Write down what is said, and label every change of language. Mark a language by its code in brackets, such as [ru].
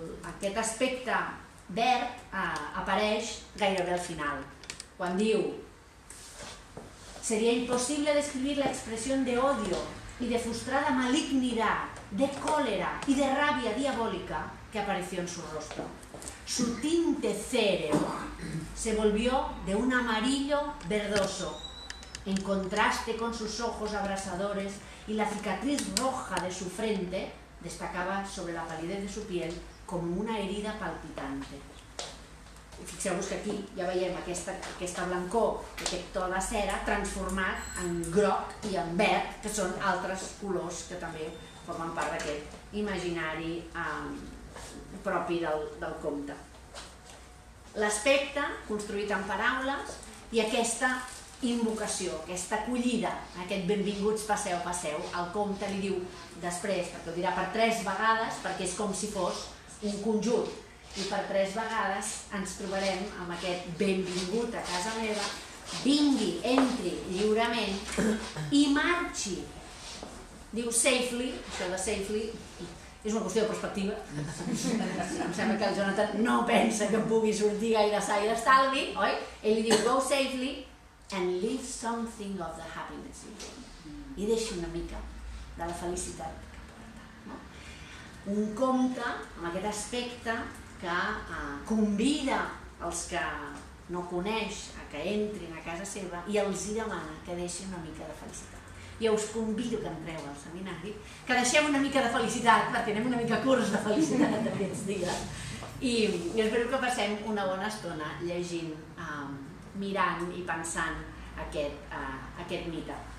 [ca] aquest aspecte verd apareix gairebé al final, quan diu: "Seria impossible descriure l'expressió [es] de odio y de frustrada malignidad, de cólera y de rabia diabólica que apareció en su rostro. Su tinte cereo se volvió de un amarillo verdoso, en contraste con sus ojos abrasadores, y la cicatriz roja de su frente destacaba sobre la palidez de su piel como una herida palpitante". [ca] Fixeu-vos que aquí ja veiem aquesta blancor, aquest to de cera transformat en groc i en verd, que són altres colors que també formen part d'aquest imaginari propi del conte. L'aspecte construït en paraules i aquesta invocació, aquesta acollida, aquest benvinguts, passeu, passeu, el conte li diu després, perquè ho dirà per tres vegades, perquè és com si fos un conjunt, i per tres vegades ens trobarem amb aquest benvingut a casa meva, vingui, entri lliurement i marxi. Diu safely, això de safely és una qüestió de perspectiva, em sembla que el Jonathan no pensa que pugui sortir gaire sa i d'estalvi, oi? Ell diu [en] go safely and leave something of the happiness in you. [ca] I deixi una mica de la felicitat que porta. Un conte amb aquest aspecte que convida els que no coneix a que entrin a casa seva i els demana que deixin una mica de felicitat. Jo us convido que entreu al seminari, que deixem una mica de felicitat, perquè anem una mica curts de felicitat aquests dies, i espero que passem una bona estona llegint, mirant i pensant aquest mite.